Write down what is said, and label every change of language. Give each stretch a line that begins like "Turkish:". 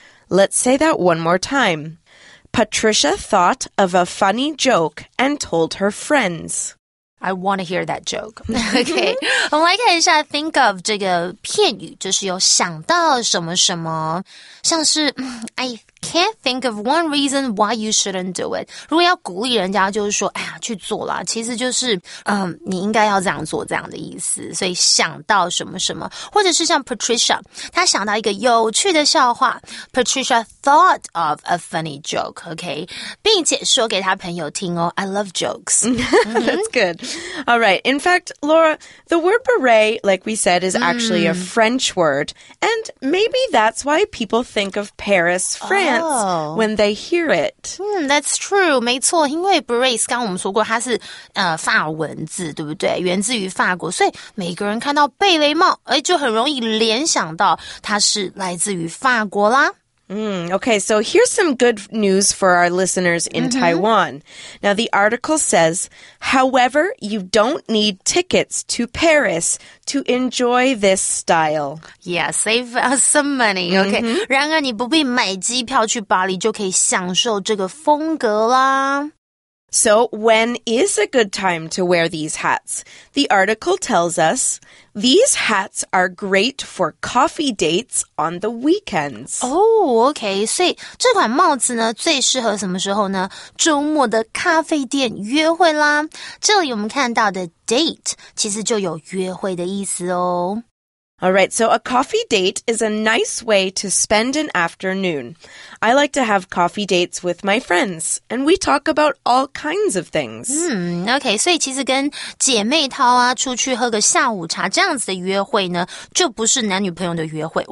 English: Let's say that one more time. Patricia thought of a funny joke and told her friends. I want to hear that joke. Okay.
Chinese: 我们来看一下 think of 这个片语就是有想到什么什么。像是
English: I can't think of one reason why you shouldn't do it.
Chinese: 如果要鼓励人家就是说哎呀去做啦其实就是你应该要这样做这样的意思。所以想到什么什么。或者是像 Patricia, 她想到一个有趣的笑话。
English: Patricia thought of a funny joke, okay?
Chinese: 并且说给她朋友听哦
English: I love jokes. That's good. All right. In fact, Laura, the word beret, like we said, is actually a French word. And maybe that's why people think of Paris, France,when they hear it. That's true.
Chinese: 没错因为 beret, 刚刚我们说过它是法文字对不对源自于法国。所以每个人看到贝雷帽就很容易联想到它是来自于法国啦。
English: Okay, so here's some good news for our listeners in、mm-hmm. Taiwan. Now, the article says, however, you don't need tickets to Paris to enjoy this style. Yeah, save us some money, okay?、Mm-hmm.
Chinese: 然而你不必买机票去巴黎就可以享受这个风格啦。
English: So, when is a good time to wear these hats? The article tells us, these hats are great for coffee dates on the weekends. Oh, okay.
Chinese: 所以这款帽子呢最适合什么时候呢周末的咖啡店约会啦。这里我们看到的 date 其实就有约会的意思哦。
English: Alright, so a coffee date is a nice way to spend an afternoon. I like to have coffee dates with my friends, and we talk about all kinds of things.
Chinese: Okay, 所以其实跟姐妹淘啊出去喝个下午茶这样子的约会呢就不是男女朋友的约会。